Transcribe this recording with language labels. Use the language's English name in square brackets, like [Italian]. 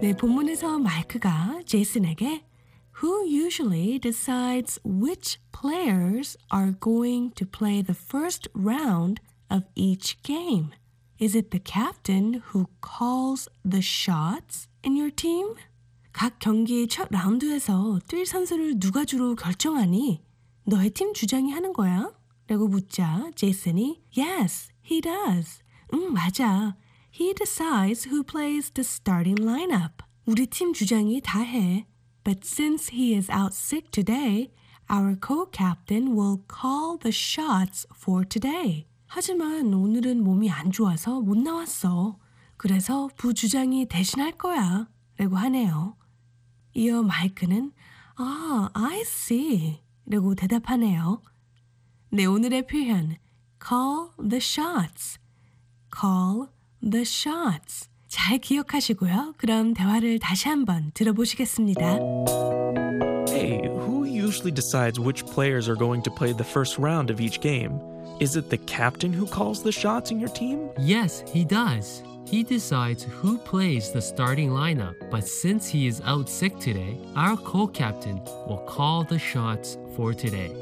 [Korean] 네, 본문에서 마이크가 제이슨에게 [English] Who usually decides which players are going to play the first round of each game? Is it the captain who calls the shots? In your team? [Korean] 각 경기의 첫 라운드에서 뛸 선수를 누가 주로 결정하니 너의 팀 주장이 하는 거야? 라고 묻자 제이슨이 [English] Yes, he does. [Korean] 응, 맞아. [English] He decides who plays the starting lineup. [Korean] 우리 팀 주장이 다 해. [English] But since he is out sick today, our co-captain will call the shots for today. [Korean] 하지만 오늘은 몸이 안 좋아서 못 나왔어. 그래서 부주장이 대신할 거야 라고 하네요. 이어 마이크는 아, [English] I see [Korean] 라고 대답하네요. 네, 오늘의 표현 Call the shots. [English] Call the shots. [Korean] 잘 기억하시고요. 그럼 대화를 다시 한번 들어보시겠습니다. [English] Hey, who usually decides which players are going to play the first round of each game? Is it the captain who calls the shots in your team? Yes, he does. He decides who plays the starting lineup. But since he is out sick today, our co-captain will call the shots for today.